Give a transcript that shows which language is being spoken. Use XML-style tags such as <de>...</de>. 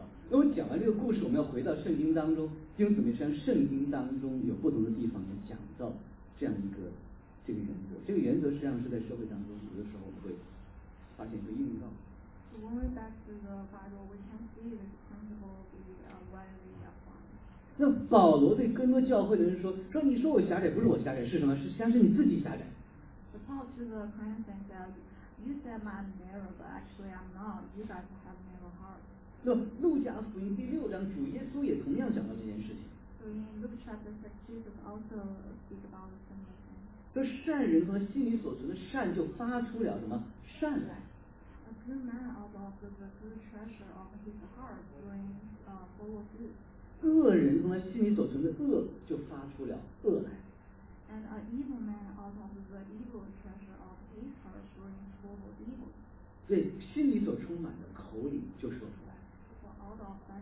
<zh>那我讲完这个故事，我们要回到圣经当中，弟兄姊妹，像圣经当中有不同的地方也讲到这样一个这个原则，这个原则实际上是在社会当中有的时候我们会发现一个应用。</zh> <en>When we went back to the Bible, we can see this principle be widely applied.</en> <zh>那保罗对哥罗教会的人说你说我狭窄，不是我狭窄，是什么？实际上是你自己狭窄。</zh> <en>The Paul to the Corinthians said, "You said I'm narrow, but actually I'm not. You guys have narrow hearts."</en> <zh>那路加福音第六章，主耶稣也同样讲到这件事情。</zh> <en>So in Luke chapter 6, Jesus also speak about the same thing.</en> <zh>这善人和心里所存的善就发出了什么善来。</zh> <en>A good man out of the good treasure of his heart brings full of good.</en> <zh>恶人和心里所存的恶就发出了恶来。</zh> <en>And an evil man out of the evil treasure of his heart brings full of evil.</en> <zh>对，心里所充满的口里就说出来。</zh>